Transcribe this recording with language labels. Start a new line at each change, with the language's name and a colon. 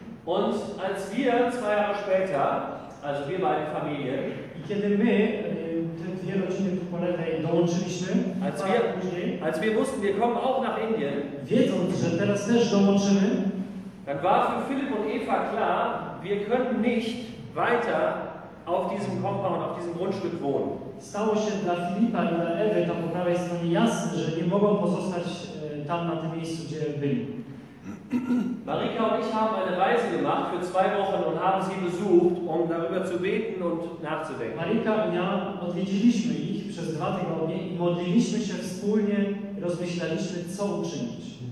German: Und als wir zwei Jahre später, also wir beide Familien,
Polish: i kiedy my, te dwie rodziny tu po lewej, dołączyliśmy,
German: als wir wussten, wir kommen auch nach Indien,
Polish: wiedząc, że teraz też dołączymy,
German: dann war für Philipp und Eva klar, wir können nicht weiter auf diesem Compound, auf diesem Grundstück wohnen.
Polish: Stało się dla Filipa i dla Ewy, tam po prawej stronie, jasne, że nie mogą pozostać tam, na tym miejscu, gdzie byli.
German: Marika und ich haben eine Reise gemacht für zwei Wochen und haben sie besucht, um darüber zu beten und nachzudenken.
Polish: Marika i ja odwiedziliśmy ich przez dwa tygodnie i modliliśmy się wspólnie, rozmyślaliśmy, co uczynić.